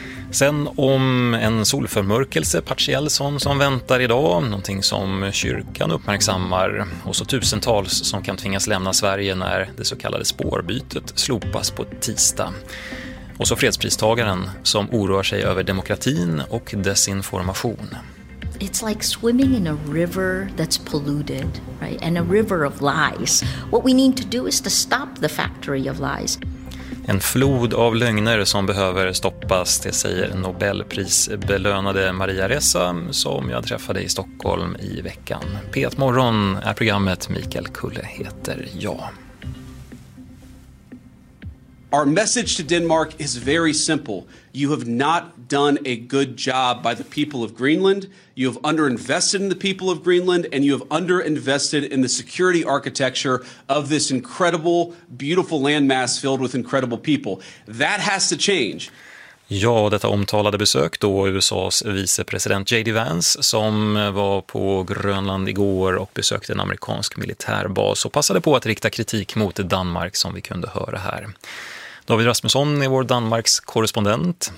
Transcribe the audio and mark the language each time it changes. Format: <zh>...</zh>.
<sv>Sen om en solförmörkelse, partiell sån, som väntar idag. Någonting som kyrkan uppmärksammar. Och så tusentals som kan tvingas lämna Sverige när det så kallade spårbytet slopas på tisdag. Och så fredspristagaren som oroar sig över demokratin och desinformation.</sv> <en>It's like swimming in a river that's polluted, right? And a river of lies. What we need to do is to stop the factory of lies.</en> <sv>En flod av lögner som behöver stoppas, det säger Nobelprisbelönade Maria Ressa, som jag träffade i Stockholm i veckan. P1 morgon är programmet. Mikael Kulle heter jag.</sv> <en>Our message to Denmark is very simple. You have not done a good job by the people of Greenland. You have underinvested in the people of Greenland, and you have underinvested in the security architecture of this incredible, beautiful landmass filled with incredible people. That has to change.</en> <sv>Ja, detta omtalade besök då USAs vicepresident J.D. Vance som var på Grönland igår och besökte en amerikansk militärbas och passade på att rikta kritik mot Danmark som vi kunde höra här. David Rasmusson är vår Danmarks korrespondent.</sv>